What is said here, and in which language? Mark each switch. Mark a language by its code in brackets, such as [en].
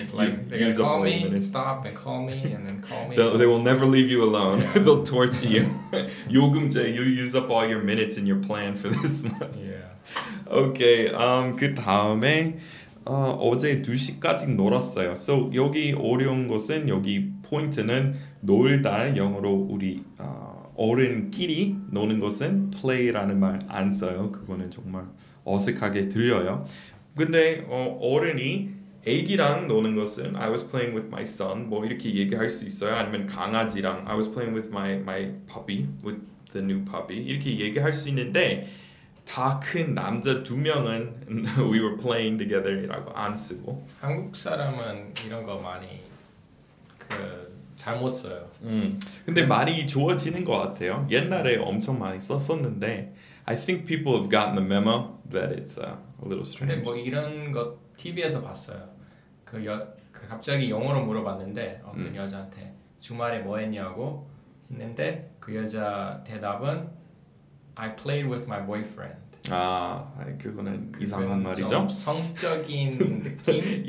[en] It's like they're gonna call me and stop and call me and then call me. They will never leave you alone. Yeah. They'll torture you. 요금제, you use up all your minutes and your plan for this month. Yeah. Okay. [ko] 그 다음에 어제 2시까지 놀았어요. So 여기 어려운 것은 여기 포인트는 놀다 영어로 우리 어른끼리 노는 것은 play라는 말 안 써요. 그거는 정말 어색하게 들려요. 근데 어른이 아기랑 노는 것은 [en] I was playing with my son [ko] 뭐 이렇게 얘기할 수 있어요. 아니면 강아지랑 [en] I was playing with my puppy with the new puppy [ko] 이렇게 얘기할 수 있는데 다 큰 남자 두 명은 [en] we were playing together [ko] 이라고 안 쓰고 한국 사람은 이런 거 많이 잘못 써요. 근데 많이 좋아지는 것 같아요. 옛날에 엄청 많이 썼었는데 [en] I think people have gotten the memo that it's a little strange. [ko] 근데 뭐 이런 거 TV에서 봤어요. 그 갑자기 영어로 물어봤는데 어떤 여자한테 주말에 뭐 했냐고 했는데 그 여자 대답은 [en] I played with my boyfriend. [ko] 아, 그거는 이상한 말이죠. 좀 성적인 느낌?